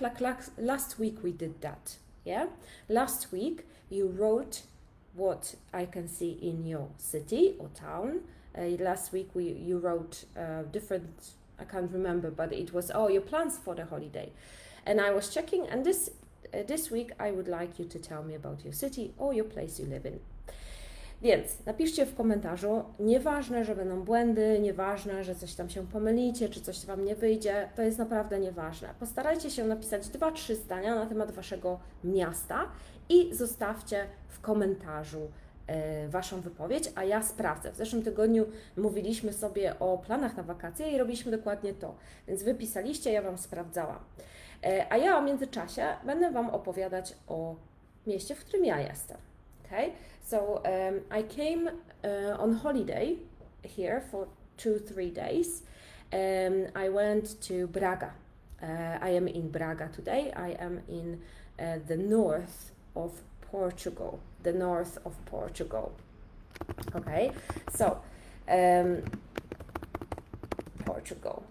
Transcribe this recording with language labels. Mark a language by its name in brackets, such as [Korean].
[English] Like last week we did that. Yeah. Last week you wrote what I can see in your city or town. Last week you wrote different, I can't remember, but it was, oh, your plans for the holiday. And I was checking, and this week I would like you to tell me about your city or your place you live in. [Polish] Więc napiszcie w komentarzu, nieważne, że będą błędy, nieważne, że coś tam się pomylicie, czy coś wam nie wyjdzie, to jest naprawdę nieważne. Postarajcie się napisać 2-3 zdania na temat waszego miasta i zostawcie w komentarzu waszą wypowiedź, a ja sprawdzę. W zeszłym tygodniu mówiliśmy sobie o planach na wakacje i robiliśmy dokładnie to. Więc wypisaliście, ja wam sprawdzałam. A ja w międzyczasie będę wam opowiadać o mieście, w którym ja jestem. [English] Okay, so I came on holiday here for 2-3 days. I went to Braga. I am in Braga today. I am in the north of Portugal. The north of Portugal. Okay, so Portugal.